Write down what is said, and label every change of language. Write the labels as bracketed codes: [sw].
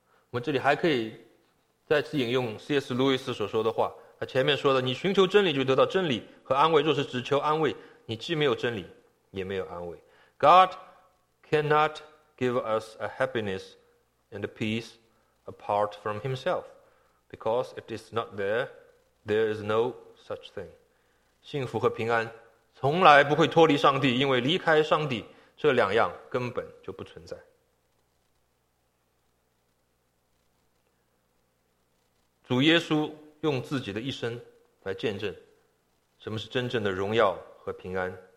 [zh] 我们这里还可以再次引用 C.S. 路易斯所说的话，他前面说的，你寻求真理就得到真理和安慰，若是只求安慰，你既没有真理也没有安慰。 [en] God cannot give us a happiness and a peace apart from himself, because it is not there, there is no such thing. [zh] 幸福和平安从来不会脱离上帝，因为离开上帝，这两样根本就不存在。主耶稣用自己的一生来见证什么是真正的荣耀和平安。